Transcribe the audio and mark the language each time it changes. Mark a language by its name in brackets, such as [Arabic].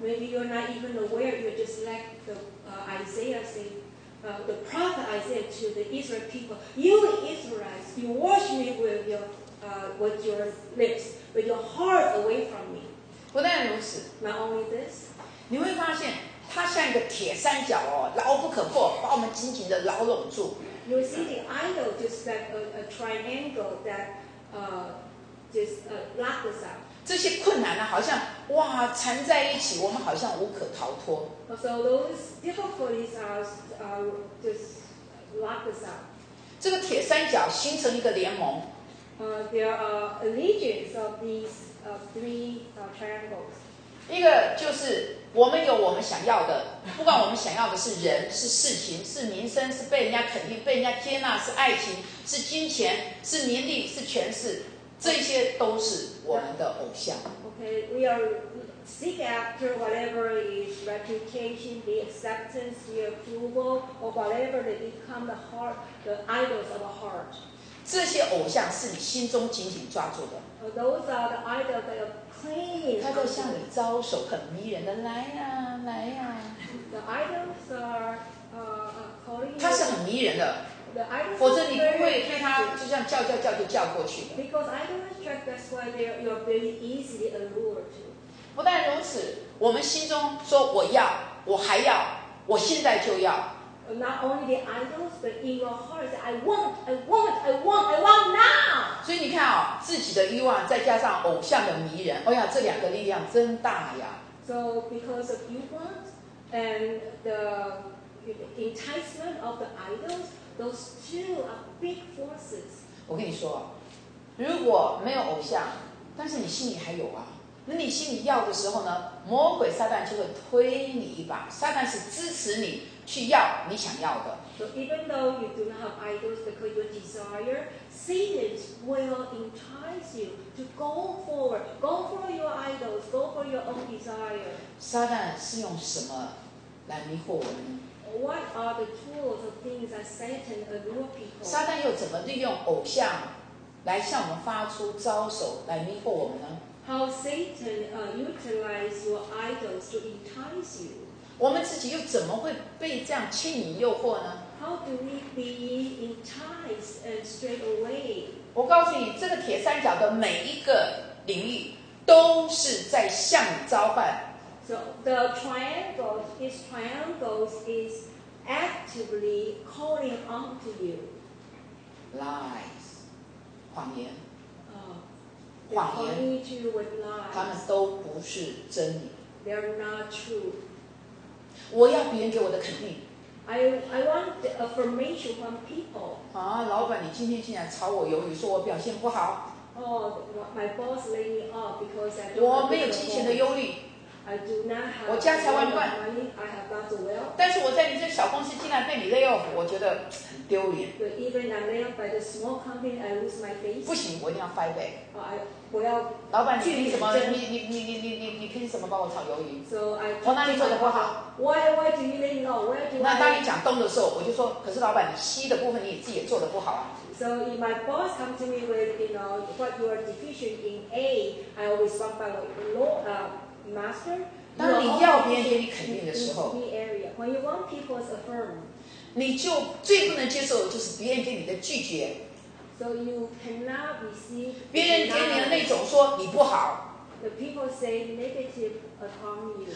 [English] Maybe you're not even aware. You're just like the Isaiah say, the prophet Isaiah to the Israel people. You Israelites, you worship me with your lips, but your heart away from me. [Chinese] 不但如此 [English] ，Not only this， [Chinese] 你会发现。它像一个铁三角哦，牢不可破，把我们紧紧的牢笼住。 [English] You see the idol just like a triangle that lock us up. [Chinese] 这些困难呢，好像哇缠在一起，我们好像无可逃脱。 [English] So those difficulties are just lock us up. [Chinese] 这个铁三角形成一个联盟。 [English] There are allegiance of these three triangles. [Chinese] 一个就是。我们有我们想要的，不管我们想要的是人、是事情、是名声、是被人家肯定、被人家接纳、是爱情、是金钱、是名利、是权势，这些都是我们的偶像。 [English] Okay, we are seek after whatever is reputation, the acceptance, the approval, or whatever that become the heart, the idols of the heart. [Chinese] 这些偶像是你心中紧紧抓住的。 [English] Those are the idols that are. [Chinese] 他都向你招手，很迷人的，来呀、啊，来呀、啊。 [English] The idols are calling. [Chinese] 他是很迷人的。 [English] The idols. [Chinese] 否则你不会对他就像叫叫叫就叫过去的。 [English] Because idols attract, that's why you're very easily allured. [Chinese] 不但如此，我们心中说我要，我还要，我现在就要。 [English] Not only the idols, but in your heart, I want, I want, I want, I want now. [Chinese] 所以你看啊、哦，自己的欲望再加上偶像的迷人，哎呀，这两个力量真大呀。 [English] So because of you want and the enticement of the idols, those two are big forces. [Chinese] 我跟你说，如果没有偶像，但是你心里还有啊。那你心里要的时候呢，魔鬼撒旦就会推你一把。撒旦是支持你去要你想要的。 [English] So even though you do not have idols because you desire, Satan will entice you to go for, go for your idols, go for your own desire. [Chinese] 撒旦是用什么来迷惑我们？ [English] What are the tools of things that Satan allure people? [Chinese] 撒旦又怎么利用偶像来向我们发出招手来迷惑我们呢？ [English] How Satan utilize your idols to entice you? [Chinese] 我们自己又怎么会被这样牵引诱惑呢？ [English] How do we be enticed and straight away? [Chinese] 我告诉你，这个铁三角的每一个领域都是在向你召唤。 [English] So the triangles, his triangles is actively calling on to you. Lies, [Chinese] 谎言。谎言 [English] calling you with lies. [Chinese] 他们都不是真理。 [English] They're not true. [Chinese] 我要别人给我的肯定。 [English] I want the affirmation from people. [Chinese] 啊，老板，你今天竟然朝我鱿鱼，说我表现不好。 [English] Oh, my boss laid me off because I don't. [Chinese] 我没有金钱的忧虑。 [English] I do not have [Chinese] 我家财万贯 [English] I have lots of wealth. [Chinese] 但是我在你这小公司竟然被你 [English] lay off [Chinese] 我觉得很丢脸 [English] But even I'm lay off by the small company I lose my face [Chinese] 不行我一定要 [English] fight back [Chinese] 我要老板你凭什么你凭什么帮我炒鱿鱼 [English] so, [Chinese] 我哪里做得不好 [English] why do you lay off why do [Chinese] 那当你讲东的时候我就说可是老板你西的部分你自己也做得不好啊 [English] So if my boss comes to me with, you know, what you are deficient in A, I always talk about master. [Chinese] 当你要别人给你肯定的时候 [English] in area, when you want people's affirm, [Chinese] 你就最不能接受的就是别人给你的拒绝。 [English] So you cannot receive [Chinese] 别人给你的那种说你不好。 [English] The people say negative upon you.